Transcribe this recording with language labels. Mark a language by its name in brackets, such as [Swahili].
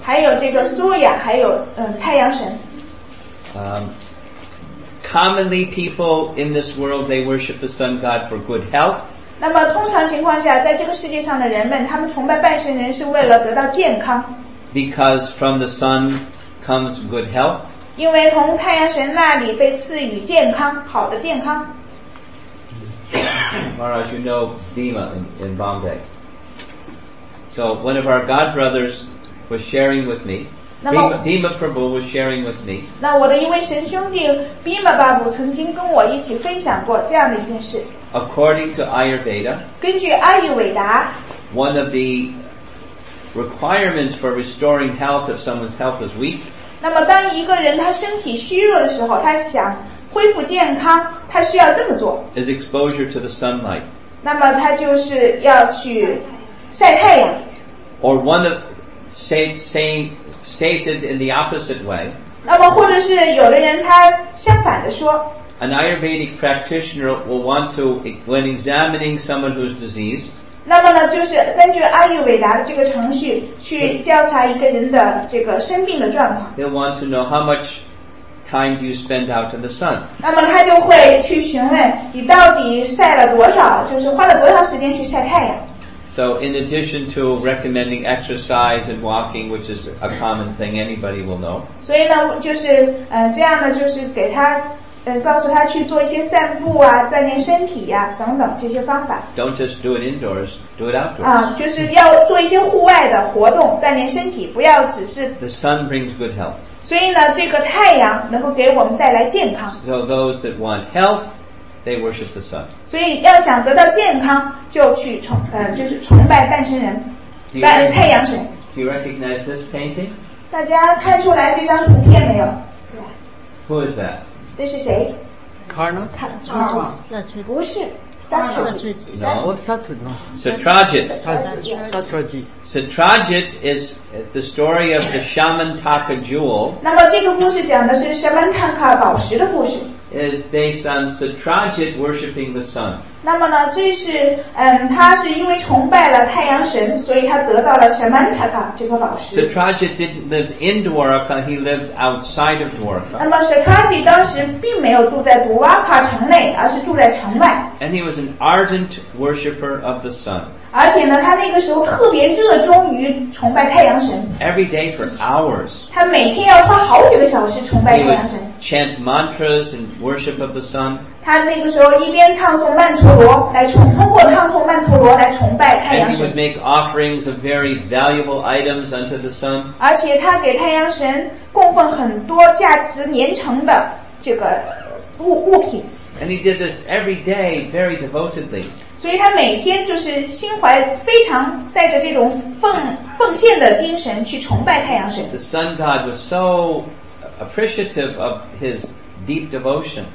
[Chinese] 还有这个苏雅，还有太阳神。 [English] Commonly people in this world, they worship the sun god for good health. [Chinese] 那么通常情况下，在这个世界上的人们，他们崇拜半神人是为了得到健康。 [English] Because from the sun comes good health. [Chinese] 因为从太阳神那里被赐予健康，好的健康。 [English] Maharaj, you know Bhima in Bombay. So one of our god brothers was sharing with me. Bhima Prabhu was sharing with me. [Chinese] 那我的一位神兄弟 Bhima Babu 曾经跟我一起分享过这样的一件事。 [English] According to Ayurveda, [Chinese] 根据阿育吠达 [English] one of the requirements for restoring health if someone's health is weak. [Chinese] 那么当一个人他身体虚弱的时候，他想恢复健康，他需要这么做。 [English] Is exposure to the sunlight. [Chinese] 那么他就是要去晒太阳。 [English] Or one of stated in the opposite way. [Chinese] 那么或者是有的人他相反的说。 [English] An Ayurvedic practitioner will want to, when examining someone who's diseased. [Chinese] 那么呢，就是根据阿育吠达这个程序去调查一个人的这个生病的状况。 [English] They'll want to know how much. Time do you spend out in the sun? [Chinese] 那么他就会去询问你到底晒了多少，就是花了多少时间去晒太阳。 [English] So in addition to recommending exercise and walking, which is a common thing anybody will know. [Chinese] 所以呢，就是这样的，就是给他告诉他去做一些散步啊，锻炼身体呀、啊，等等这些方法。 [English] Don't just do it indoors, do it outdoors. [Chinese] 就是要做一些户外的活动，锻炼身体，不要只是。 [English] The sun brings good health. [Chinese] 所以呢，这个太阳能够给我们带来健康。 [English] So those that want health, they worship the sun. [Chinese] 所以要想得到健康，就去崇就是崇拜半神人，拜太阳神。 [English] Do you recognize this painting? [Chinese] 大家看出来这张图片没有？对。 [English] Who is that? [Chinese] 这是谁 [English] Satrajit is the story of the Shamantaka jewel. [Chinese] 那么这个故事讲的是 Shamantaka 宝石的故事。 [English] Is based on Satrajit worshipping the sun. [Chinese] 那么呢，这是他是因为崇拜了太阳神，所以他得到了 Shamantaka 这个宝石。 [English] Satrajit didn't live in Dwarka, he lived outside of Dwarka. [Chinese] 那么 Satrajit 当时并没有住在 Dwarka 城内，而是住在城外。 [English] And he was an ardent worshipper of the sun. [Chinese] 而且呢，他那个时候特别热衷于崇拜太阳神。 [English] Every day for hours. [Chinese] 他每天要花好几个小时崇拜太阳神。 [English] Chant mantras and worship of the sun. [Chinese] 他那个时候一边唱诵曼陀罗来崇，通过唱诵曼陀罗来崇拜太阳神。 [English] And he would make offerings of very valuable items unto the sun. [Chinese] 而且他给太阳神供奉很多价值连城的这个物品。 [English] And he did this every day very devotedly. [Chinese] 所以他每天就是心怀非常带着这种奉献的精神去崇拜太阳神。 [English] The sun god was so appreciative of his deep devotion.